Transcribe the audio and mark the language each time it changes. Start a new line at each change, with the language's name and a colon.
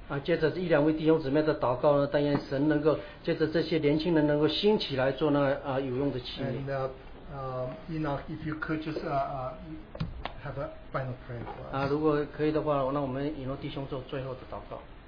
Chinese: 借着一两位弟兄姊妹的祷告呢，但愿神能够借着这些年轻人能够兴起来做那有用的器皿。
English: And Enoch, if you could just have a final prayer for us.
Chinese: 如果可以的话，那我们引入弟兄做最后的祷告。